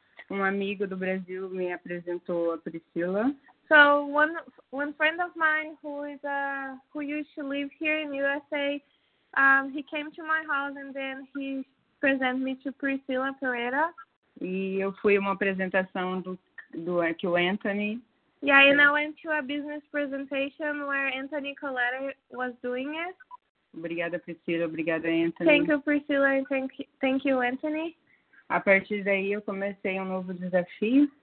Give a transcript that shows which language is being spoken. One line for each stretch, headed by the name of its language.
Portuguese: Um amigo do Brasil me apresentou a Priscila.
English: So one friend of mine who used to live here in USA, he came to my house and then he presented me to Priscila Pereira.
Portuguese: E eu fui uma apresentação do Arquil Anthony.
English: Yeah, and I went to a business presentation where Anthony Coletta was doing it.
Portuguese: Obrigada, Priscila. Obrigada, Anthony.
English: Thank you, Priscila. Thank you, Anthony.
Portuguese: A partir daí, eu comecei um novo desafio.